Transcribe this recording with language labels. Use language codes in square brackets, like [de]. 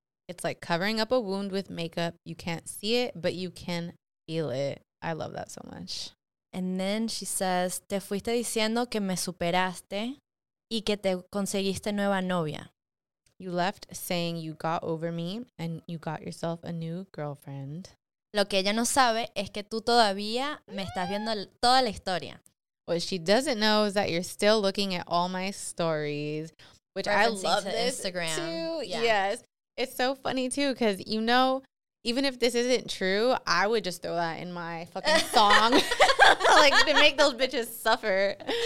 [en] It's like covering up a wound with makeup. You can't see it, but you can feel it. I love that so much. And then she says, [es] te fuiste diciendo que me superaste y que te conseguiste nueva novia. [en] You left saying you got over me and you got yourself a new girlfriend. [es] Lo que ella no sabe es que tú todavía me estás viendo toda la historia. [en] What she doesn't know is that you're still looking at all my stories, which I love to this Instagram. Too. Yeah. Yes. It's so funny, too, because, you know, even if this isn't true, I would just throw that in my fucking song, like, to make those bitches suffer.